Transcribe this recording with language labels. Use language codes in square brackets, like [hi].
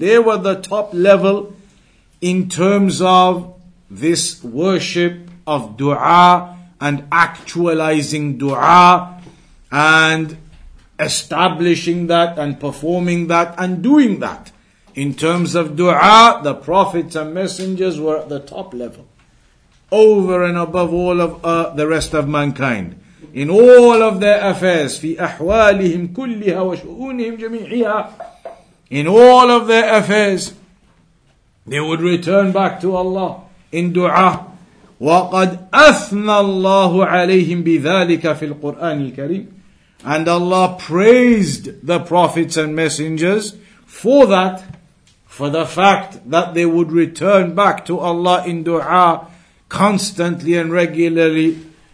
[en] They were the top level in terms of this worship of dua and actualizing dua and establishing that and performing that and doing that. In terms of dua, the prophets and messengers were at the top level, over and above all of the rest of mankind, in all of their affairs. [ar] في أحوالهم كلها وشؤونهم جميعها. [en] In all of their affairs, they would return back to Allah in dua. [ar] وَقَدْ أَثْنَى اللَّهُ عَلَيْهِمْ بِذَٰلِكَ فِي الْقُرْآنِ الْكَرِيمِ. [en] And Allah praised the prophets and messengers for that, for the fact that they would return back to Allah in dua constantly and regularly.